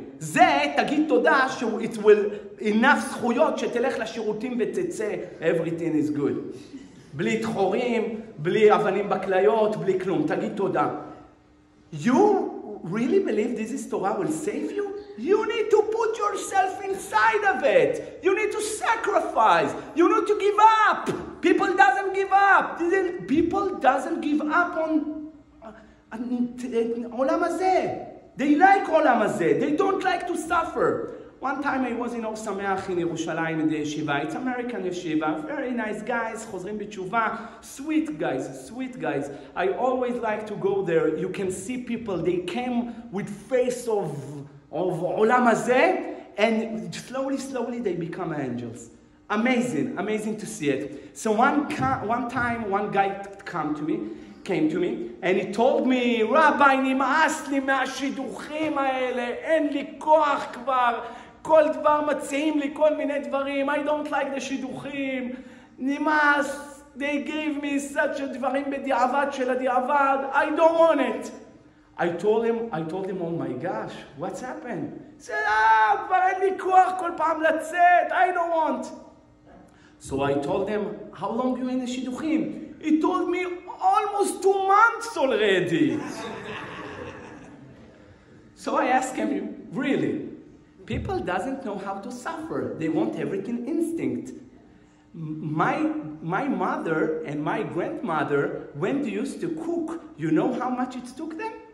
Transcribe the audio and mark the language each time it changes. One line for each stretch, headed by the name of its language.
Hebrew: זה תגיד תודה ש
English: it will enough
Hebrew: זכויות שתלך לשירותים ותצא,
English: everything is good.
Hebrew: בלי דחורים, בלי אבנים בכליות, בלי כלום. תגיד תודה.
English: You really believe this is Torah will save you? You need to put yourself inside of it. You need to sacrifice. You need to give up. People doesn't give up. People doesn't give up on Olam Hazeh. They like Olam Hazeh. They don't like to suffer. One time I was in Or Sameach in Yerushalayim in the yeshiva. It's American yeshiva. Very nice guys, chozrim b'tshuva. Sweet guys, sweet guys. I always like to go there. You can see people. They came with face of Olam Hazeh. And slowly, slowly they become angels. Amazing, amazing to see it. So one time one guy came to me. And he told me, Rabbi,
Hebrew: נמאס לי מהשידוחים האלה. אין לי כוח כבר. כל דבר מציעים לי כל מיני דברים.
English: I don't like the שידוחים. נמאס. They gave me such a דברים בדיעבד של הדיעבד. I don't want it. I told him, oh my gosh, what's happened? He said,
Hebrew: כבר אין לי כוח כל פעם לצאת.
English: I don't want. So I told him, how long you in the שידוחים? He told me, almost 2 months already. So I asked him, really? People doesn't know how to suffer. They want everything instinct. My mother and my grandmother, when they used to cook, you know how much it took them?